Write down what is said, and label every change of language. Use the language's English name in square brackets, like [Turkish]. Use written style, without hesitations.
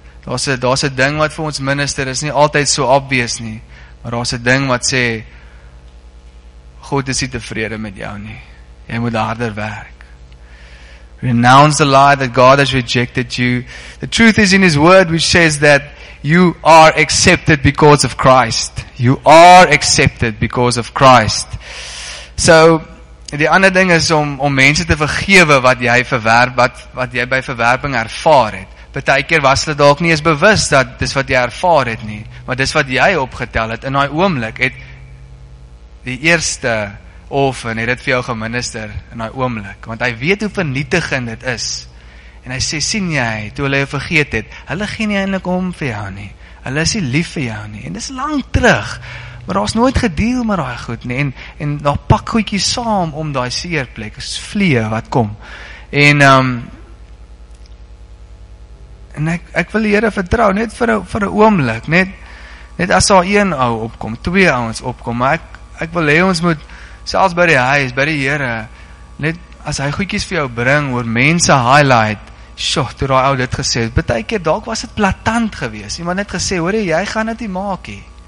[Afrikaans] Daar is een ding wat vir ons minister is nie altyd so obvious nie, maar daar is een ding wat sê, God is nie tevrede met jou nie, jy moet harder werk. [English] Renounce the lie that God has rejected you. The truth is in his word which says that you are accepted because of Christ. You are accepted because of Christ. [Afrikaans] So, die ander ding is om mense te vergewe wat jy by verwerping ervaar het. Partykeer was hulle dalk nie eens bewus dat dis wat jy ervaar het nie, maar dis wat jy opgetel het in daai oomblik het die eerste of en het dit vir jou geminister in daai oomblik, want hy weet hoe vernietigend dit is. En hy sê, sien jy, toe hulle jou vergeet het, hulle gee nie eintlik om vir jou nie. Hulle is nie lief vir jou nie. En dis lang terug. Maar daar is nooit gedeel met daai goed nie. En daar pak goedjie saam om daai seerplek. Dis vliee wat kom. En ek wil die Here vertrou, net vir 'n oomblik, net as daar een ou opkom, twee ouens opkom, maar ek wil hê ons moet selfs by die huis, by die Here, net as hy goedjies vir jou bring oor mense highlight, sjoe, toe daai ou dit gesê het, baie keer dalk was dit platant geweest, iemand net gesê, hoor jy gaan dit nie maak nie.